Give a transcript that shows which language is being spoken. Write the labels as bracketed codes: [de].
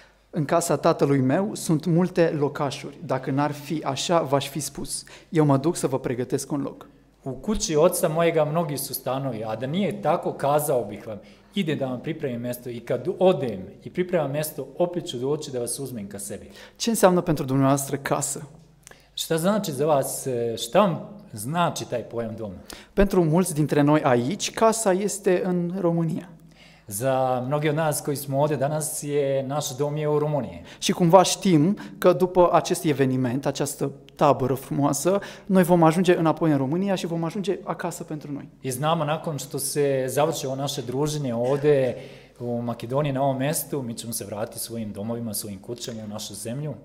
[ro] În casa tatălui meu sunt multe locașuri. Dacă n-ar fi așa, v-aș fi spus. Eu mă duc să vă pregătesc un loc. [sr] U kući oca mojega mnogi su stanovi, a da nije tako, kazao bih vam, ide da vam pripremim mesto i kad odem i pripremam mesto, opet ću doći da vas uzmem ka sebi. [ro] Ce înseamnă pentru dumneavoastră casă? [sr] Šta znači za vas, šta vam znači taj pojam dom? [ro] Pentru mulți dintre noi aici, casa este în România. [sr] Za mnogi od nas koji smo ovde danas, je naš dom je u Rumunije. [ro] Și cumva știm că după acest eveniment, această tabără frumoasă, noi vom ajunge înapoi în România și vom ajunge acasă pentru noi. [sr] I znamo, nakon što se završe o naše druženje ovde u Makedoniji, na ovom mestu, mi ćemo se vratiti svojim domovima, svojim kućama, u našu zemlju.